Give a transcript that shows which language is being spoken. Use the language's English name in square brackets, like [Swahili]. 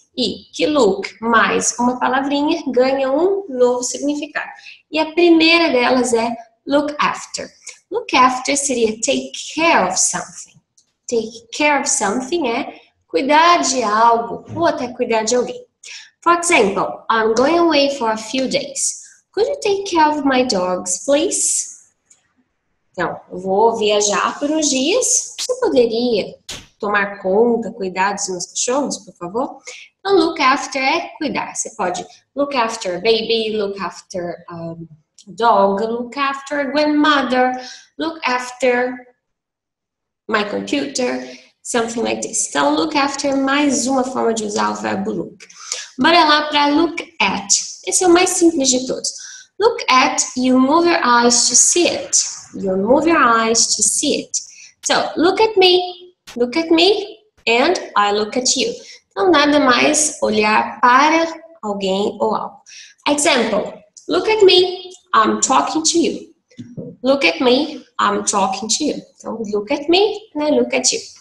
[Portuguese] E que look mais uma palavrinha ganha um novo significado. E a primeira delas é [English] look after. Look after [Portuguese] seria [English] take care of something. Take care of something [Portuguese] é cuidar de algo ou até cuidar de alguém. [English] For example, I'm going away for a few days. Could you take care of my dogs, please? [Portuguese] Então, eu vou viajar por uns dias. Você poderia tomar conta, cuidar dos meus cachorros, por favor? Então, [English] look after [Portuguese] é cuidar. Você pode [English] look after a baby, look after a dog, look after a grandmother, look after my computer, something like this. [Portuguese] Então, look after é mais uma forma de usar o verbo look. Bora lá para look at. Esse é o mais simples de todos. [English] Look at, you move your eyes to see it. You move your eyes to see it. So, look at me. Look at me and I look at you. [Portuguese] Então, nada mais olhar para alguém ou algo. [English] Example, look at me, I'm talking to you. Look at me, I'm talking to you. [Portuguese] Então, [English] look at me and I look at you.